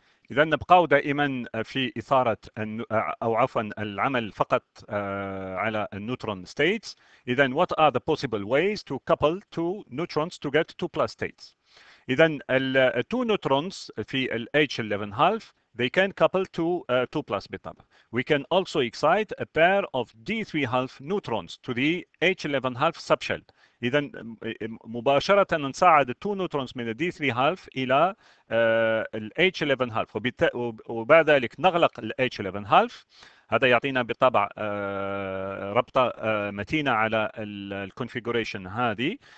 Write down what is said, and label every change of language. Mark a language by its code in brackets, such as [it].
[ar] إذا نبقى دائما في إثارة أو عفوا العمل فقط على النوترون ستيتس. [en] إذا what are the possible ways to couple two neutrons to get two plus states؟ إذا ال two neutrons في ال H11 half they can couple to two plus بالطبع. We can also excite a pair of D3 half neutrons to the H11 half subshell. [ar] إذا مباشرة نصعد 2 نوترونز من D3 half إلى ال H11 half، وبعد ذلك نغلق ال H11 half، هذا يعطينا بالطبع ربطة متينة على ال configuration هذه.